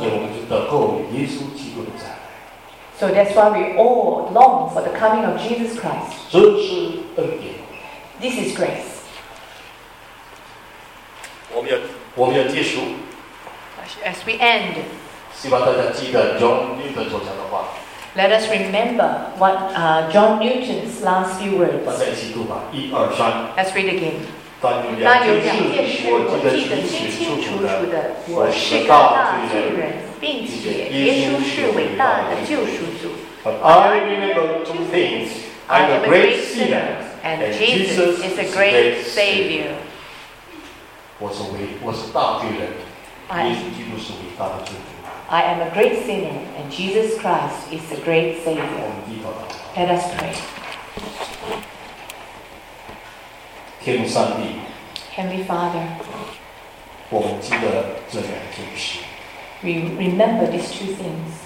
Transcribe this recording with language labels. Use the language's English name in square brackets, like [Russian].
[Chinese] 所以我们就得够耶稣基督的赏。 [English] So that's why we all long for the coming of Jesus Christ. [Chinese] 这是恩典。 [English] This is grace. [Chinese] 我们要结束。 [English] As we end. [Chinese] 希望大家记得 John Newton 所讲的话。 [English] Let us remember what John Newton's last few words. [Chinese] 大家一起读吧，一二三。 [English] Let's read again. [Chinese] 那有两件事，我记得清清楚楚的。我是个大罪人，并且耶稣是伟大的救赎主。 [English] But I remember two things: I'm a great sinner, and Jesus is a great Savior. [Chinese] 我是大罪人，耶稣基督是伟大的救主。 [English] I am a great sinner, and Jesus Christ is a great Savior. [Chinese] 我们低头祷告。 [English] Let us pray. [Chinese] 天父上帝 [English] Heavenly Father, [Chinese] 我们记得这两件事。 [English] We remember these two things.